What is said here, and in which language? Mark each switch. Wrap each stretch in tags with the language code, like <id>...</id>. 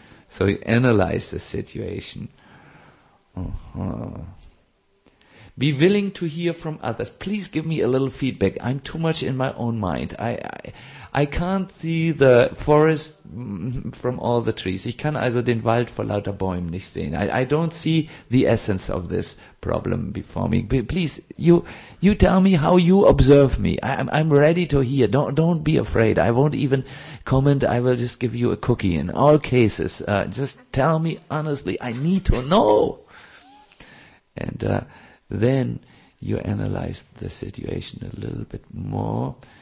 <en>So you analyze the situation. Be willing to hear from others. Please give me a little feedback. I'm too much in my own mind. I can't see the forest from all the trees.</en> <de>Ich kann also den Wald vor lauter Bäumen nicht sehen.</de> <en>I don't see the essence of this problem before me. Please, you tell me how you observe me. I'm ready to hear. Don't be afraid. I won't even comment. I will just give you a cookie in all cases. Just tell me honestly. I need to know. And then you analyze the situation a little bit more.</en>